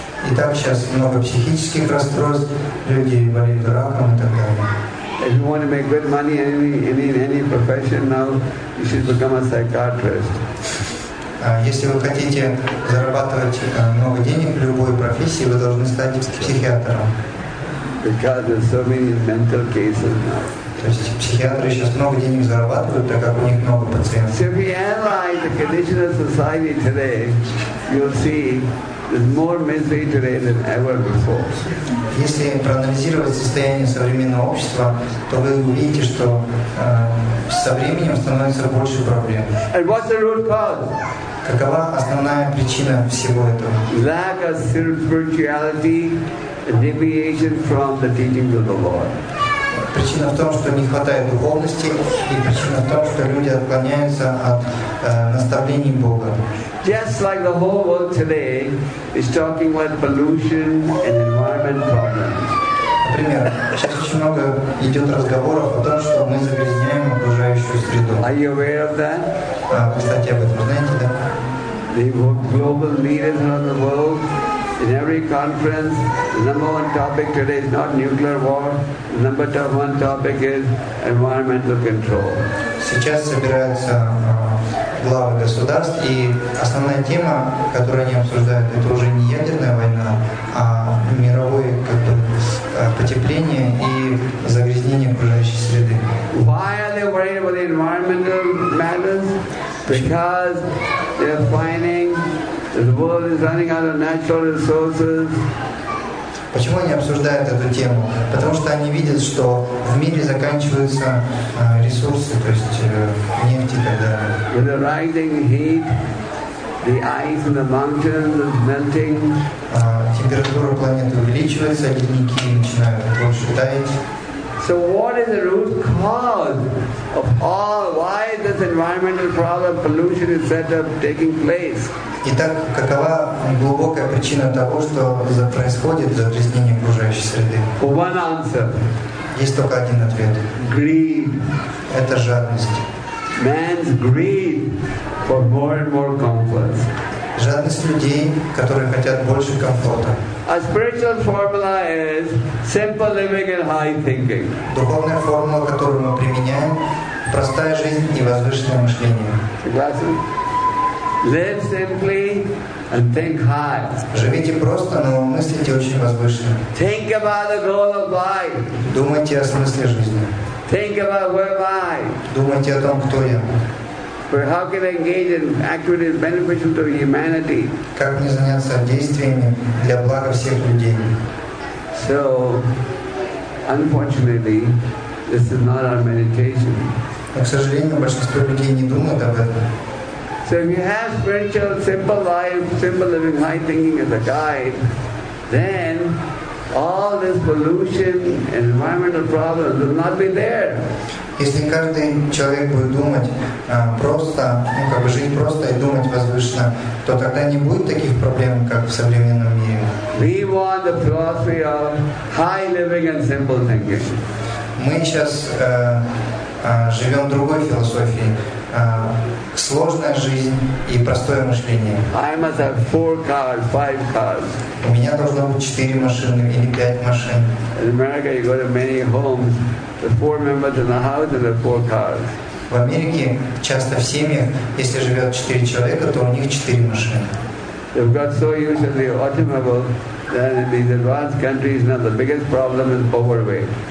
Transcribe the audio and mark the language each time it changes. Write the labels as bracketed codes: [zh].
[ru] И так сейчас много психических расстройств, люди болеют раком и так далее. [en] If you want to make good money in any profession now, you should become a psychiatrist. [ru] Если вы хотите зарабатывать много денег в любой профессии, вы должны стать психиатром. [en] Because there's so many mental cases now. [ru] То есть психиатры сейчас много денег зарабатывают, так как у них много пациентов. [en] So if you analyze the condition of society today, you'll see there's more misery today than ever before. [ru] Если проанализировать состояние современного общества, то вы увидите, что со временем становится больше проблем. [en] And what's the root cause? [ru] Какова основная причина всего этого? [en] Lack of spirituality, a deviation from the teachings of the Lord. [ru] Причина в том, что не хватает духовности, и причина в том, что люди отклоняются от наставлений Бога. [en] Just like the whole world today is talking about pollution and environment problems. [ru] Например, сейчас очень много идет разговоров о том, что мы загрязняем окружающую среду. [en] Are you aware of that? [ru] Кстати, об этом знаете, да? [en] The global leaders around the world. In every conference, the number one topic today is not nuclear war. The number one topic is environmental control. [ru] Сейчас собираются главы государств, и основная тема, которую они обсуждают, это уже не ядерная война, а мировое потепление и загрязнение окружающей среды. [en] Why are they worried about the environmental matters? Because they are finding the world is running out of natural resources. [ru] Почему они обсуждают эту тему? Потому что они видят, что в мире заканчиваются ресурсы, то есть нефть и так далее. [en] With the rising heat, the ice in the mountains is melting. [ru] Температура планеты увеличивается, ледники начинают больше таять. [en] So what is the root cause of all? Why is this environmental problem, pollution, etc., taking place? [ru] Итак, какова глубокая причина того, что происходит загрязнение окружающей среды? [en] One answer. [ru] Есть только один ответ. [en] Greed. [ru] Это жадность. [en] Man's greed for more and more comfort. [ru] Жадность людей, которые хотят больше комфорта. [en] A spiritual formula is simple living and high thinking. [ru] Духовная формула, которую мы применяем, простая жизнь и возвышенное мышление. Согласен? [en] Live simply and think high. [ru] Живите просто, но мыслите очень возвышенно. [en] Think about the goal of life. [ru] Думайте о смысле жизни. [en] Think about who am I. [ru] Думайте о том, кто я. [en] But how can I engage in activities beneficial to humanity? [ru] Как мне заняться действиями для блага всех людей? [en] So, unfortunately, this is not our meditation. [ru] Но, к сожалению, большинство людей не думают об этом. [en] So if you have spiritual, simple life, simple living, high thinking as a guide, then all this pollution and environmental problems will not be there. [ru] Если каждый человек будет думать просто, ну как бы жить просто и думать возвышенно, то тогда не будет таких проблем, как в современном мире. [en] We want the philosophy of high living and simple thinking. [ru] Мы сейчас живем другой философией. Сложная жизнь и простое мышление. [en] I must have 4 cars, 5 cars. [ru] У меня должно быть 4 машины или 5 машин. [en] In America you go to many homes, the 4 members in the house and the 4 cars. [ru] В Америке часто в семьях, если живет 4 человека, то у них 4 машины. [en] They've got so used to the automobile that in these advanced countries now the biggest problem is overweight.